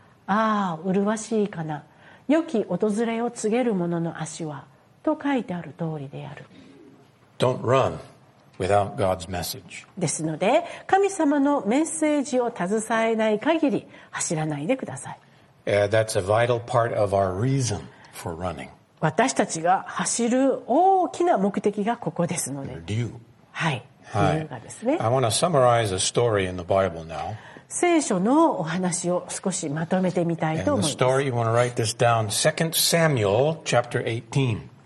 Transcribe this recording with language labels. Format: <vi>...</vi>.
<ja>ああ麗しいかな、良き訪れを告げる者の足は、と書いてある通りである。</ja> <en>Don't run without God's message.</en> <ja>ですので神様のメッセージを携えない限り走らないでください。</ja> <en>That's a vital part of our reason for running.</en> <ja>私たちが走る大きな目的がここですので、理由、はい、はい、理由がですね。</ja> <en>I want to summarize a story in the Bible now.</en> <ja>聖書のお話を少しまとめてみたいと思います。</ja> <en>And the story, you want to write this down, 2 Samuel chapter 18.</en>